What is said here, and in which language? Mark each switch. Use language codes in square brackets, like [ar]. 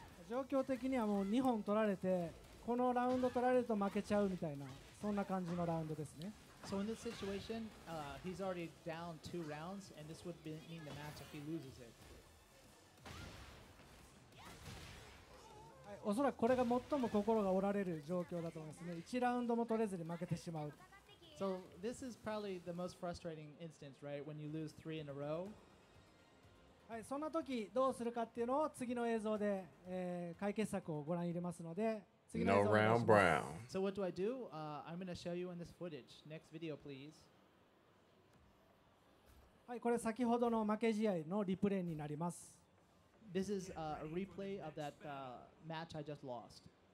[en] So in this situation, he's already down two rounds, and this would mean the match if he loses it. [ja] おそらくこれが最も心が折られる状況だと思いますね。 1ラウンドも取れずに負けてしまう。 [en] So this is probably the most frustrating instance, right? When you lose three in a row. [ja] はい、そんな時どうするかっていうのを次の映像で、解決策をご覧入れますので、次の映像を見ましょう。 [en] So what do I do? I'm gonna show you in this footage. Next video, please. [ja] はい、これ先ほどの負け試合のリプレイになります。 [en] This is a replay of that match I just lost.